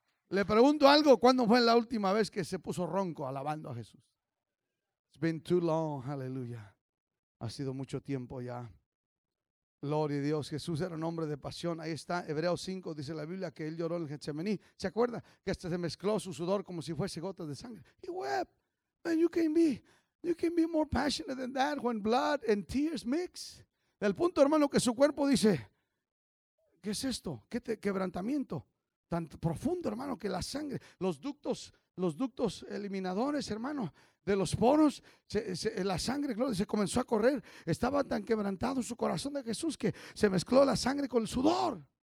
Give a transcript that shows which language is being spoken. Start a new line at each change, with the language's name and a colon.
Spanish: Le pregunto algo: ¿cuándo fue la última vez que se puso ronco alabando a Jesús?
English: It's been too long,
Spanish: aleluya. Ha sido mucho tiempo ya. Gloria a Dios, Jesús era un hombre de pasión. Ahí está, Hebreos 5, dice la Biblia que él lloró en el Getsemaní. ¿Se acuerda? Que hasta se mezcló su sudor como si fuese gotas de sangre.
English: He wept. Man, you can be more passionate than that when blood and tears mix.
Spanish: Del punto, hermano, que su cuerpo dice, ¿qué es esto? ¿Qué quebrantamiento? Tan profundo, hermano, que la sangre, los ductos eliminadores, hermano, de los poros, la sangre, gloria, se comenzó a correr. Estaba tan quebrantado su corazón de Jesús que se mezcló la sangre con el sudor.